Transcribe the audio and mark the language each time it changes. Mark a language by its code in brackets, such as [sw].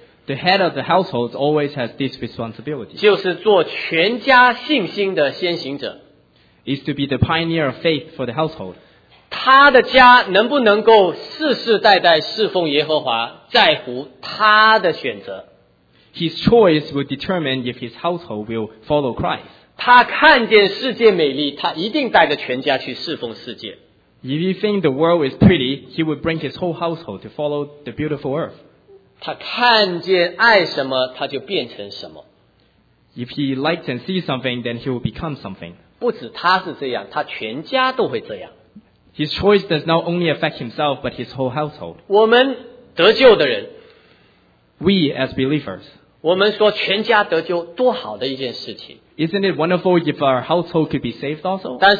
[en] the head of the household always has this responsibility, [zh] 就是做全家信心的先行者, [en] is to be the pioneer of faith for the household. [zh] 他的家能不能够世世代代侍奉耶和华, 在乎他的选择, [en] his choice will determine if his household will follow Christ. [zh] 他看见世界美丽, 他一定带着全家去侍奉世界, [en] if you think the world is pretty, he would bring his whole household to follow the beautiful earth. [zh] 他看见爱什么, 他就变成什么, [en] if he likes and sees something, then he will become something. [zh] 不止他是这样, 他全家都会这样, [en] his choice does not only affect himself, but his whole household. [zh] 我们得救的人, [en] we as believers, [zh] 我们说全家得救, 多好的一件事情, [en] isn't it wonderful if our household could be saved also?